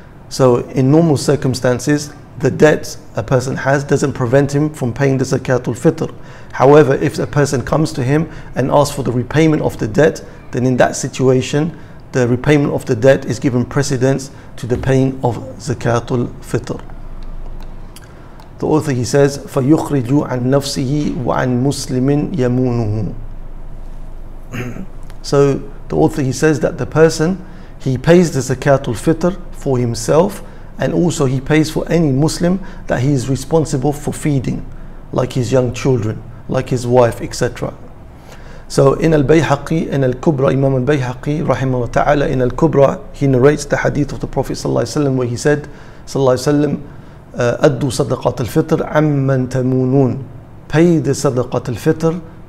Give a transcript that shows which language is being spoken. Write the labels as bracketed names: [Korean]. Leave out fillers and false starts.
[English] So in normal circumstances, the debt a person has doesn't prevent him from paying the Zakat al-Fitr. However, if a person comes to him and asks for the repayment of the debt, then in that situation, the repayment of the debt is given precedence to the paying of Zakat al-Fitr. The author, he says, [Arabic] فَيُخْرِجُ عَنْ نَفْسِهِ وَعَنْ مُسْلِمٍ يَمُونُهُ. [English] So the author, he says that the person, he pays the Zakat al-Fitr for himself, and also he pays for any Muslim that he is responsible for feeding, like his young children, like his wife, etc. So in al-Bayhaqi, in al-Kubra, Imam al-Bayhaqi, rahimahullah ta'ala, in al-Kubra, he narrates the hadith of the Prophet sallallahu alayhi wa sallam, where he said, sallallahu alayhi wa sallam, [Arabic] أَدُّوا صَدَقَاتِ الْفِطْرِ عَمَّنْ تَمُونُونَ. [English] Pay the [Arabic] صَدَقَاتِ الْفِطْرِ